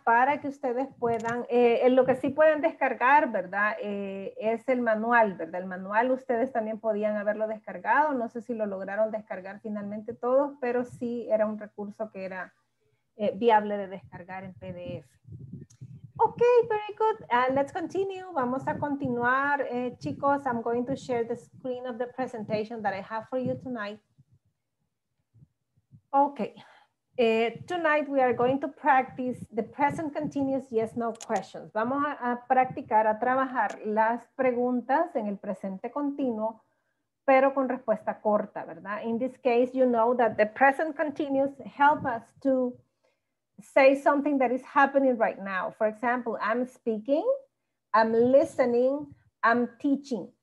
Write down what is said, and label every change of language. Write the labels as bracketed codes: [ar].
[es] Para que ustedes puedan, lo que sí pueden descargar, ¿verdad? Es el manual, ¿verdad? El manual ustedes también podían haberlo descargado. No sé si lo lograron descargar finalmente todos, pero sí era un recurso que era viable de descargar en PDF. [en] Ok, very good. Let's continue. [es] Vamos a continuar. [en] Chicos, I'm going to share the screen of the presentation that I have for you tonight. Okay. Tonight we are going to practice the present continuous yes-no questions. [es] Vamos a trabajar las preguntas en el presente continuo, pero con respuesta corta, ¿verdad? [en] In this case, you know that the present continuous help us to say something that is happening right now. For example, I'm speaking, I'm listening, I'm teaching.